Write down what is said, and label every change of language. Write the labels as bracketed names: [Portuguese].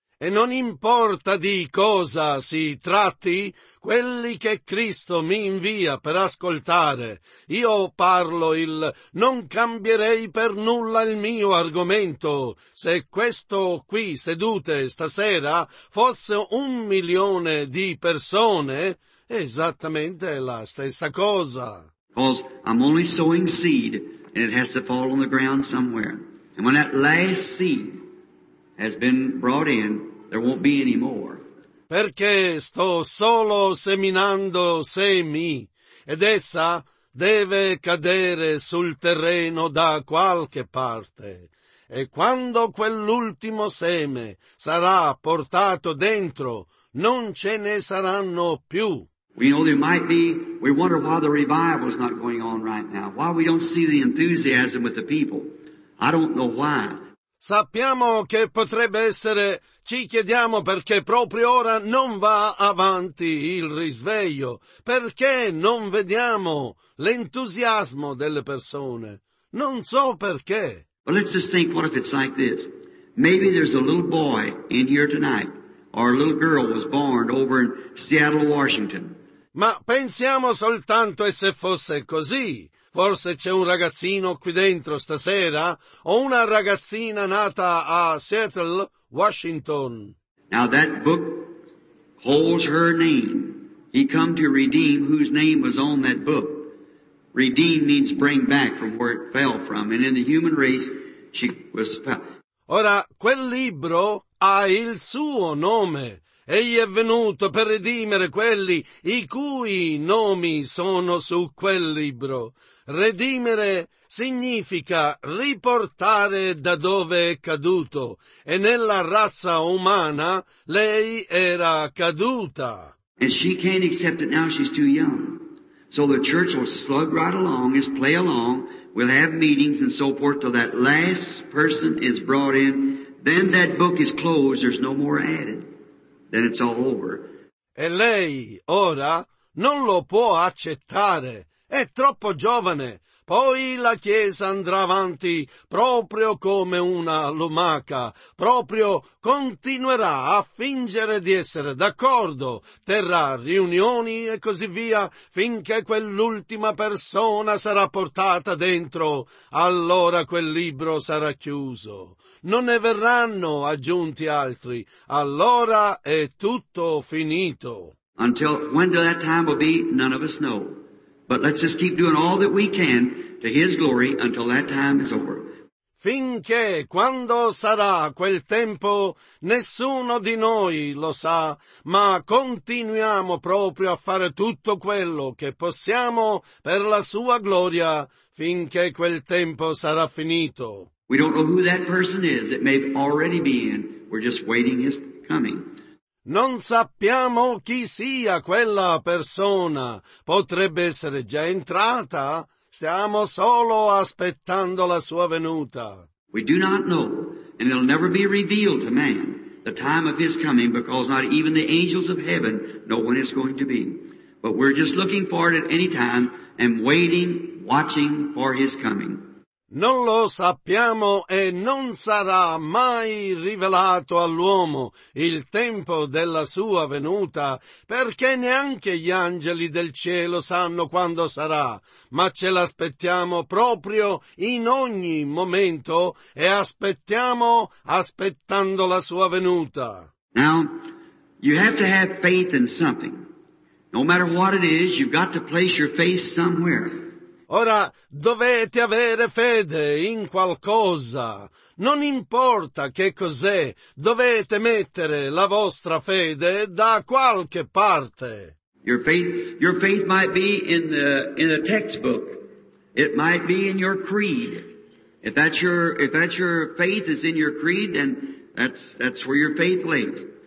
[Italian] E non importa di cosa si tratti, quelli che Cristo mi invia per ascoltare, io parlo il non cambierei per nulla il mio argomento. Se questo qui sedute stasera fosse 1,000,000 di persone, esattamente la stessa cosa. [English] Because I'm only sowing seed, and it has to fall on the ground somewhere. And when that last seed has been brought in, there won't be any more. [Italian] Perché sto solo seminando semi, ed essa deve cadere sul terreno da qualche parte. E quando quell'ultimo seme sarà portato dentro, non ce ne saranno più. [English] We know there might be, we wonder why the revival is not going on right now, why we don't see the enthusiasm with the people. I don't know why. [Italian] Sappiamo che potrebbe essere, ci chiediamo perché proprio ora non va avanti il risveglio. Perché non vediamo l'entusiasmo delle persone? Non so perché. [English] But let's just think, what if it's like this? Maybe there's a little boy in here tonight. Our little girl was born over in Seattle, Washington. [Italian] Ma pensiamo soltanto, e se fosse così, forse c'è un ragazzino qui dentro stasera o una ragazzina nata a Seattle, Washington. [English] Now that book holds her name. He come to redeem whose name was on that book. Redeem means bring back from where it fell from, and in the human race she was. [Italian] Ora quel libro ha il suo nome. Egli è venuto per redimere quelli i cui nomi sono su quel libro. Redimere significa riportare da dove è caduto. E nella razza umana lei era caduta. [English] And she can't accept it now, she's too young. So the church will slug right along, just play along. We'll have meetings and so forth till that last person is brought in. Then that book is closed, there's no more added. Then it's all over. [Italian] E lei, ora, non lo può accettare. È troppo giovane. Poi la Chiesa andrà avanti proprio come una lumaca. Proprio continuerà a fingere di essere d'accordo. Terrà riunioni e così via finché quell'ultima persona sarà portata dentro. Allora quel libro sarà chiuso. Non ne verranno aggiunti altri. Allora è tutto finito. [English] Until when that time will be, none of us know. But let's just keep doing all that we can to His glory until that time is over. [Italian] Finché, quando sarà quel tempo, nessuno di noi lo sa, ma continuiamo proprio a fare tutto quello che possiamo per la Sua gloria finché quel tempo sarà finito. [English] We don't know who that person is. It may already be in. We're just waiting His coming. [Italian] Non sappiamo chi sia quella persona. Potrebbe essere già entrata. Stiamo solo aspettando la sua venuta. [English] We do not know, and it'll never be revealed to man, the time of his coming, because not even the angels of heaven know when it's going to be. But we're just looking for it at any time and waiting, watching for His coming. [Italian] Non lo sappiamo e non sarà mai rivelato all'uomo il tempo della sua venuta, perché neanche gli angeli del cielo sanno quando sarà, ma ce l'aspettiamo proprio in ogni momento e aspettiamo aspettando la sua venuta. [English] Now, you have to have faith in something. No matter what it is, you've got to place your faith somewhere. [Italian] Ora, dovete avere fede in qualcosa. Non importa che cos'è, dovete mettere la vostra fede da qualche parte. [English] Your faith might be in a textbook. It might be in your creed. If that's your faith is in your creed, then that's where your faith lays.